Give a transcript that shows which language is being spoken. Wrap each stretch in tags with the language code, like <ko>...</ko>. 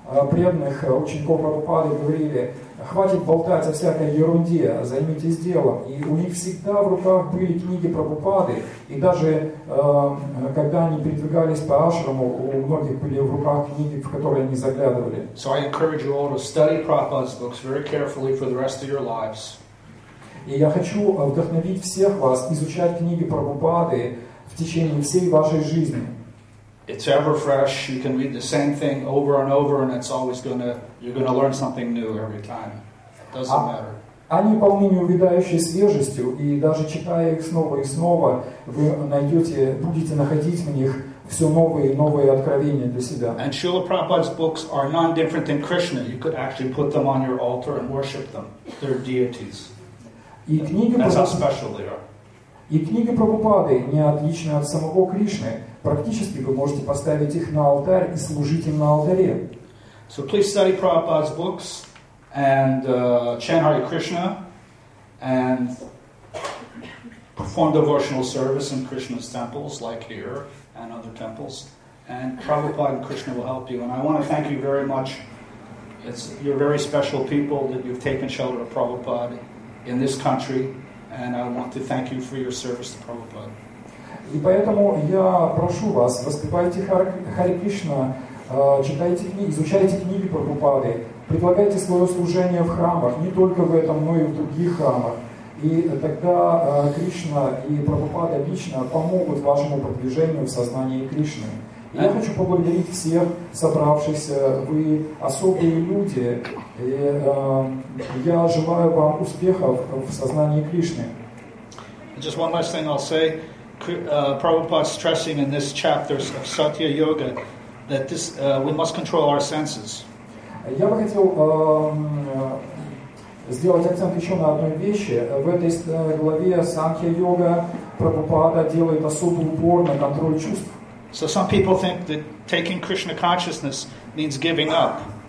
<ru>преданных учеников Прабхупады говорили: «Хватит болтать о всякой ерунде, займитесь делом». И у них всегда в руках были книги Прабхупады. И даже когда они передвигались по ашраму, у многих были в руках книги, в которые они заглядывали.</ru> <en>So I encourage you all to study Prabhupada's books very carefully for the rest of your lives.</en> <ru>И я хочу вдохновить всех вас изучать книги Прабхупады в течение всей вашей жизни.</ru> <en>It's ever fresh. You can read the same thing over and over, and it's always gonna. You're gonna learn something new every time. It doesn't matter.</en> <ru>Они полны неувядающей свежестью, и даже читая их снова и снова, вы найдете, будете находить в них все новые и новые откровения для себя.</ru> <en>And Srila Prabhupada's books are none different than Krishna. You could actually put them on your altar and worship them. They're deities.</en> <ru>И книги</ru> <en>That's how special they are.</en> <ru>И книги Прабхупады не отличны от самого Кришны. Практически вы можете поставить их на алтарь и служить им на алтаре.</ru> <en>So please study Prabhupada's books and chant Hare Krishna and perform devotional service in Krishna's temples, like here and other temples. And Prabhupada and Krishna will help you. And I want to thank you very much. You're very special people that you've taken shelter of Prabhupada in this country. And I want to thank you for your service to Prabhupada.</en> <ru>И поэтому я прошу вас, воспевайте Харе Кришна, читайте книги, изучайте книги Прабхупады, предлагайте свое служение в храмах, не только в этом, но и в других храмах. И тогда Кришна и Прабхупада лично помогут вашему продвижению в сознании Кришны. Я хочу поблагодарить всех собравшихся. Вы особые люди. И я желаю вам успехов в сознании Кришны.</ru> <en>Just one last thing I'll say. Prabhupada's stressing in this chapter of Satya Yoga that this we must control our senses.</en> <ru>Я бы хотел сделать акцент еще на одной вещи. В этой главе Сангхья Йога Прабхупада делает особый упор на контроль чувств.</ru> <en>So some people think that taking Krishna consciousness means giving up.</en>